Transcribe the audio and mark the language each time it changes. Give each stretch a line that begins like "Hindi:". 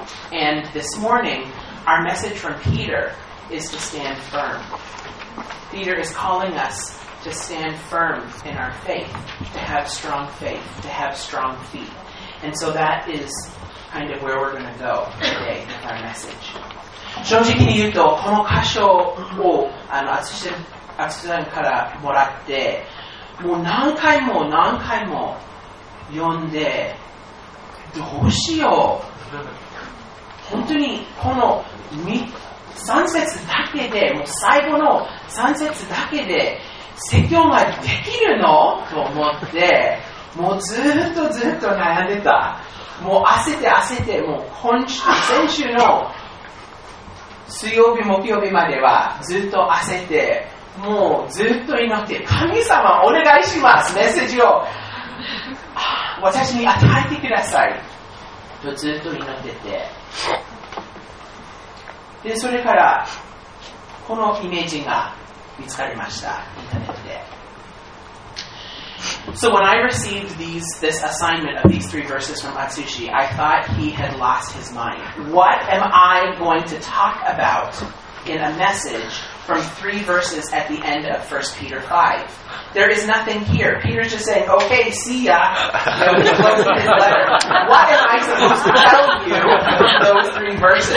English: And this morning, our message from Peter is to stand firm. Peter is calling us to stand firm in our faith, to have strong faith, to have strong feet. And so that is kind of where we're going to go today with our message.
Japanese: 正直に言うと、この箇所を淳さんからもらって、もう何回も読んで、どうしよう。本当にこの3節だけで、もう最後の3節だけで説教ができるのと思って、もうずっと悩んでた。もう焦ってもう先週の水曜日木曜日まではずっと焦って、もうずっと祈って、神様お願いします、メッセージを私に与えてくださいとずっと祈ってて、でそれからこのイメージが見つかりました、インターネットで。
English: So when I received this assignment of these three verses from Atsushi, I thought he had lost his mind. What am I going to talk about in a message from three verses at the end of 1 Peter 5? There is nothing here. Peter's just saying, okay, see ya. What am I supposed to tell you from those three verses?